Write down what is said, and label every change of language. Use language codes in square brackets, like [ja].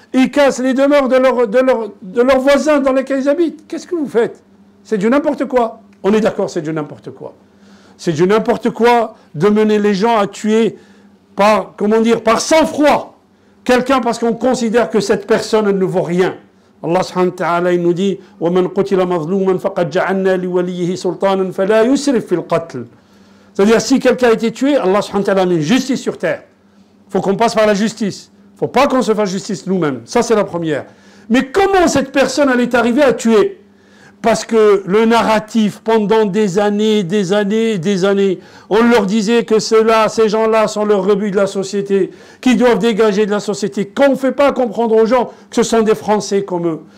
[fr] Ils cassent les demeures de leurs voisins dans lesquels ils habitent. Qu'est-ce que vous faites? C'est du n'importe quoi. On est d'accord, c'est du n'importe quoi. C'est du n'importe quoi de mener les gens à tuer par, comment dire, par sang-froid. Quelqu'un parce qu'on considère que cette personne ne vaut rien. [ar] Allah subhanahu wa ta'ala [fr] il nous dit [ar] وَمَنْ قُتِلَ مَظْلُومًا فَقَدْ جَعَلْنَا لِوَلِيِّهِ سُلْطَانًا فَلَا يُسْرِفْ فِي الْقَتْلِ. [fr] C'est-à-dire, si quelqu'un a été tué, Allah subhanahu wa ta'ala met justice sur terre. Il faut qu'on passe par la justice. Il ne faut pas qu'on se fasse justice nous-mêmes. Ça, c'est la première. Mais comment cette personne, elle est arrivée à tuer? Parce que le narratif, pendant des années, des années, des années, on leur disait que ceux-là, ces gens-là sont le rebut de la société, qu'ils doivent dégager de la société, qu'on ne fait pas comprendre aux gens que ce sont des Français comme eux.